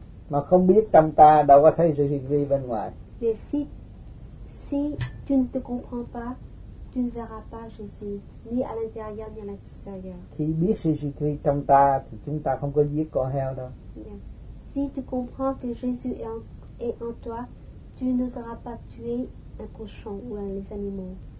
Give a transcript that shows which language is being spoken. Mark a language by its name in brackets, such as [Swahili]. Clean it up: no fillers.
[Vietnamese] Mà không biết trong ta đâu có thấy Jésus-Christ bên ngoài. [French] Mais si tu ne te comprends pas, tu ne verras pas Jésus, ni à l'intérieur ni à l'extérieur. [Vietnamese] Khi biết Jésus-Christ trong ta thì chúng ta không có giết con heo đâu. [French] Si tu comprends que Jésus est et en toi, tu n'oseras pas tuer un cochon ou les animaux.